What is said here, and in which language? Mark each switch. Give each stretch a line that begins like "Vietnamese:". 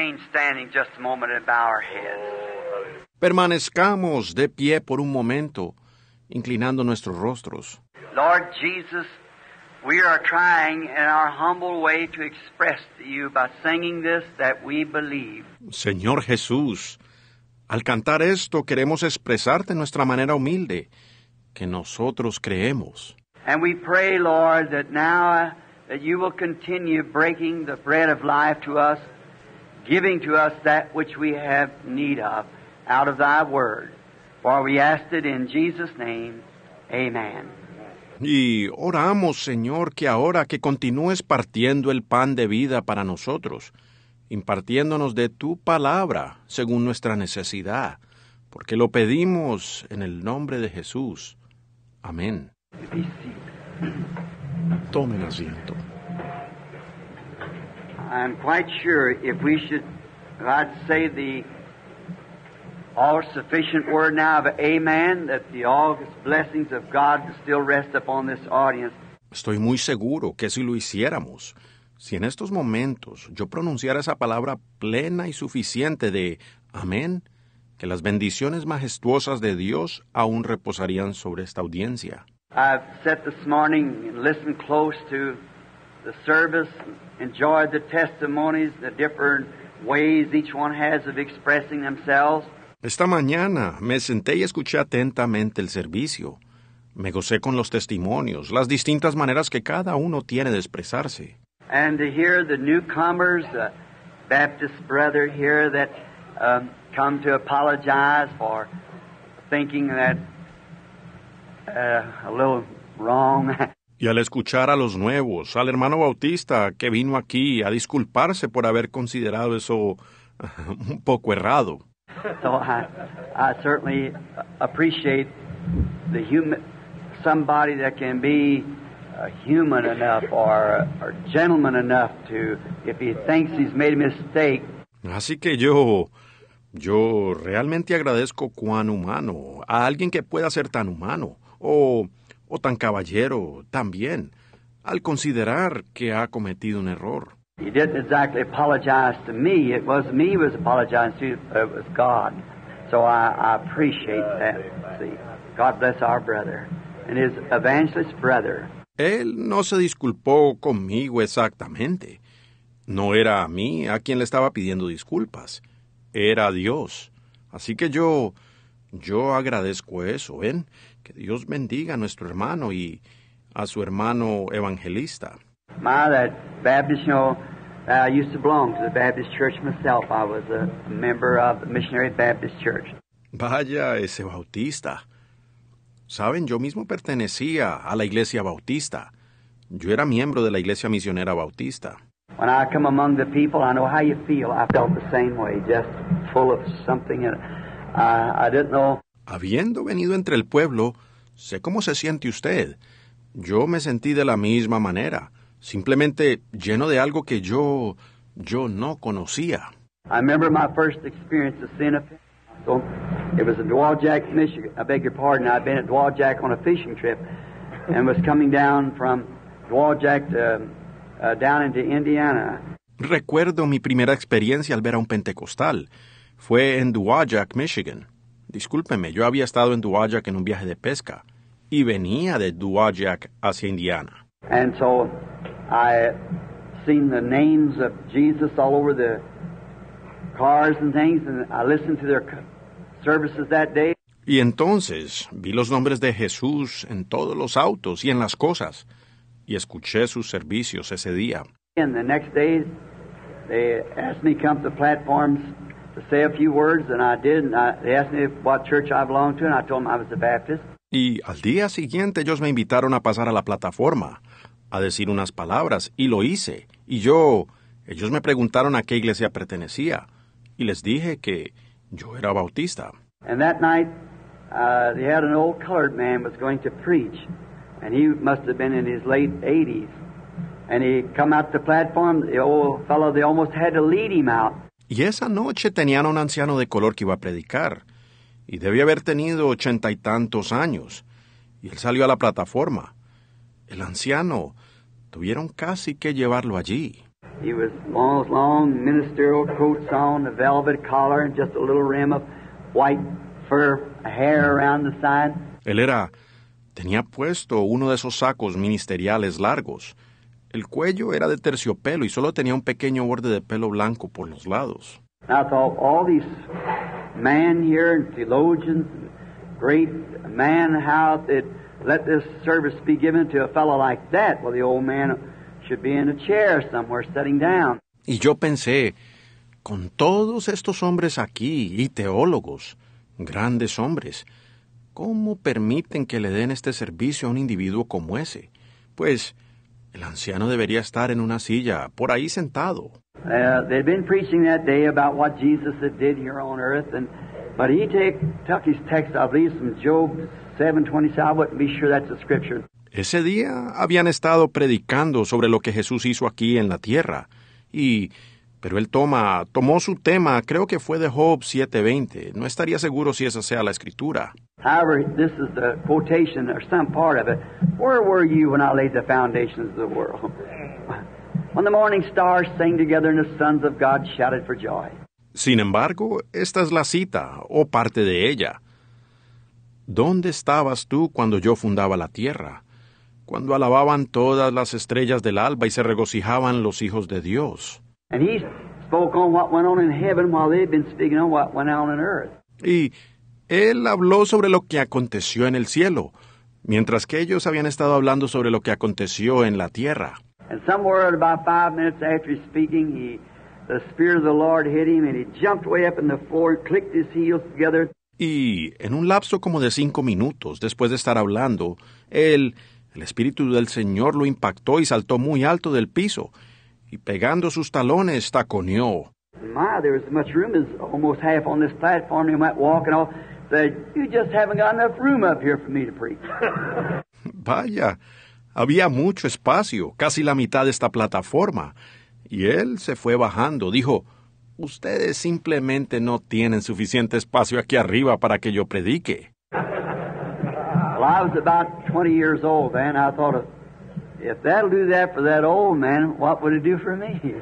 English: Standing just a moment and bow our heads.
Spanish: Permanezcamos de pie por un momento, inclinando nuestros rostros.
English: Lord Jesus, we are trying in our humble way to express to you by singing this that we believe.
Spanish: Señor Jesús, al cantar esto queremos expresarte en nuestra manera humilde que nosotros creemos.
English: And we pray, Lord, that now that you will continue breaking the bread of life to us, giving to us that which we have need of out of thy word. For we ask it in Jesus' name. Amen.
Spanish: Y oramos, Señor, que ahora que continúes partiendo el pan de vida para nosotros, impartiéndonos de tu palabra según nuestra necesidad, porque lo pedimos en el nombre de Jesús. Amén. Tomen asiento.
English: I'm quite sure if we should, if I'd say the all-sufficient word now of amen, that the august blessings of God still rest upon this audience.
Spanish: Estoy muy seguro que si lo hiciéramos, si en estos momentos yo pronunciara esa palabra plena y suficiente de amén, que las bendiciones majestuosas de Dios aún reposarían sobre esta audiencia.
English: I've sat this morning and listened close to the service. Enjoyed the testimonies, the different ways each one has of expressing themselves.
Spanish: Esta mañana me senté y escuché atentamente el servicio. Me gocé con los testimonios, las distintas maneras que cada uno tiene de expresarse.
English: And to hear the newcomers, the Baptist brother here that come to apologize for thinking that a little wrong.
Spanish: Y al escuchar a los nuevos, al hermano Bautista que vino aquí a disculparse por haber considerado eso un poco errado.
English: So I certainly appreciate the human, somebody that can be human enough or gentleman enough to, if he thinks he's made a mistake.
Spanish: Así que yo realmente agradezco cuán humano, a alguien que pueda ser tan humano, o tan caballero también, al considerar que ha cometido un error.
English: He didn't exactly apologize to me. It was me who was apologizing to you. It was God. So I appreciate that. See, God bless our brother and his evangelist brother.
Spanish: Él no se disculpó conmigo exactamente. No era a mí a quien le estaba pidiendo disculpas. Era Dios. Así que yo agradezco eso, ¿ven? Que Dios bendiga a nuestro hermano y a su hermano evangelista.
English: My, that Baptist, you know, I used to belong to the Baptist Church myself. I was a member of the Missionary Baptist Church.
Spanish: Vaya ese Bautista. Saben, yo mismo pertenecía a la Iglesia Bautista. Yo era miembro de la Iglesia Misionera Bautista.
English: When I come among the people, I know how you feel. I felt the same way, just full of something. I didn't know.
Spanish: Habiendo venido entre el pueblo, sé cómo se siente usted. Yo me sentí de la misma manera, simplemente lleno de algo que yo no conocía.
English: I remember my first experience of sin. So, it was in Dwajak, Michigan. I beg your pardon. I'd been at Dwajak on a fishing trip and was coming down from Dwajak to, down into Indiana.
Spanish: Recuerdo mi primera experiencia al ver a un pentecostal. fue en Dowagiac, Michigan. Discúlpeme, yo había estado en Dowagiac en un viaje de pesca y venía de Dowagiac hacia Indiana.
English: And so I seen the names of Jesus all over the cars and things, and I listened to their services that day.
Spanish: Y entonces vi los nombres de Jesús en todos los autos y en las cosas, y escuché sus servicios ese día.
English: And the next day, they asked me to come to the platforms to say a few words, and I did. And they asked me what church I belonged to, and I told them I was a Baptist.
Spanish: Y al día siguiente, ellos me invitaron a pasar a la plataforma a decir unas palabras, y lo hice. Y yo, ellos me preguntaron a qué iglesia pertenecía, y les dije que yo era bautista.
English: And that night, they had an old colored man was going to preach, and he must have been in his late 80s. And he come out the platform, the old fellow, they almost had to lead him out.
Spanish: Y esa noche tenían a un anciano de color que iba a predicar, y debía haber tenido 80 y tantos años, y él salió a la plataforma. El anciano, tuvieron casi que llevarlo allí.
English: He was long ministerial coats on, a velvet collar, and just a little rim of white fur, a hair around the side.
Spanish: Él era, tenía puesto uno de esos sacos ministeriales largos. El cuello era de terciopelo y solo tenía un pequeño borde de pelo blanco por los lados.
English: I thought, all these men here, and theologians, and great man, how it let this service be given to a fellow like that. Well, the old man should be in a chair somewhere, sitting down.
Spanish: Y yo pensé, con todos estos hombres aquí, y teólogos, grandes hombres, ¿cómo permiten que le den este servicio a un individuo como ese? Pues, el anciano debería estar en una silla, por ahí sentado.
English: They'd been preaching that day about what Jesus had did here on earth, and but he took his text, I believe, from Job 7:27, I wouldn't be sure that's the scripture.
Spanish: Ese día habían estado predicando sobre lo que Jesús hizo aquí en la tierra, y pero él tomó su tema, creo que fue de Job 7:20. No estaría seguro si esa sea la escritura.
English: However, this is the quotation or some part of it. Where were you when I laid the foundations of the world? When the morning stars sang together and the sons of God shouted for joy.
Spanish: Sin embargo, esta es la cita, o parte de ella. ¿Dónde estabas tú cuando yo fundaba la tierra? Cuando alababan todas las estrellas del alba y se regocijaban los hijos de Dios.
English: And he spoke on what went on in heaven while they'd been speaking on what went on in earth.
Spanish: Y él habló sobre lo que aconteció en el cielo, mientras que ellos habían estado hablando sobre lo que aconteció en la tierra.
English: And somewhere about 5 minutes after he's speaking, the Spirit of the Lord hit him and he jumped way up in the floor, clicked his heels together.
Spanish: Y en un lapso como de 5 minutos después de estar hablando, el Espíritu del Señor lo impactó y saltó muy alto del piso, y pegando sus talones, taconeó.
English: My, there was as much room as almost half on this platform. He might walk and all. Said, you just haven't got enough room up here for me to preach.
Spanish: Vaya, había mucho espacio, casi la mitad de esta plataforma. Y él se fue bajando. Dijo, ustedes simplemente no tienen suficiente espacio aquí arriba para que yo predique.
English: Well, I was about 20 years old, and I thought of, if that'll do that for that old man, what would it do for me?